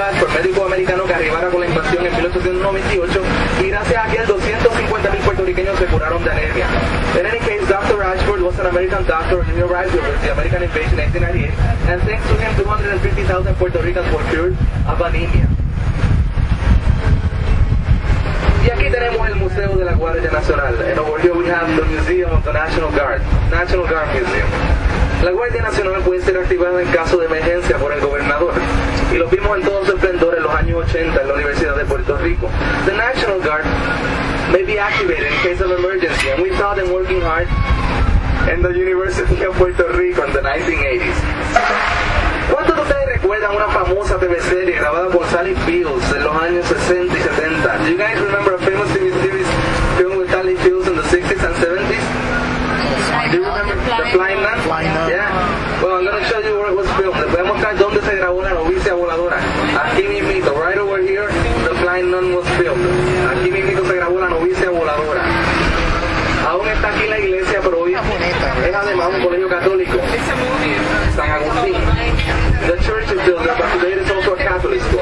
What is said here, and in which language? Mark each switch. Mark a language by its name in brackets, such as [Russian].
[Spanish] Ashford, médico americano que arribara con la invasión en 1898, y gracias a aquel 250,000 puertorriqueños se curaron de anemia. [English] En any case, Dr. Ashford was an American doctor and he arrived with the American invasion in 1898, and thanks to him, 250,000 Puerto Ricans were cured of anemia. [Spanish] Y aquí tenemos el Museo de la Guardia Nacional. [English] And over here we have the Museum of the National Guard, National Guard Museum. [Spanish] La Guardia Nacional puede ser activada en caso de emergencia por el gobernador. Y lo vimos en todo su esplendor en los años 80 en la Universidad de Puerto Rico. [English] The National Guard may be activated in case of emergency, and we saw them working hard in the University of Puerto Rico in the 1980s. [Spanish] ¿Cuántos de ustedes recuerdan una famosa TV serie grabada por Sally Fields en los años 60 y 70? [English] Do you guys remember a famous TV series filmed with Sally Fields in the 60s and 70s? Do you remember The Flying Nun? Yeah. Well, I'm going to show you where it was filmed. [Spanish] Les voy a mostrar dónde se grabó la novicia voladora. Aquí mismito, [English] right over here, The Flying Nun was filmed. [Spanish] Aquí mismito se grabó la novicia voladora. Aún está aquí la iglesia, pero hoy es además un colegio católico. San Agustín. [English] The church is still there, but today it's also a Catholic school.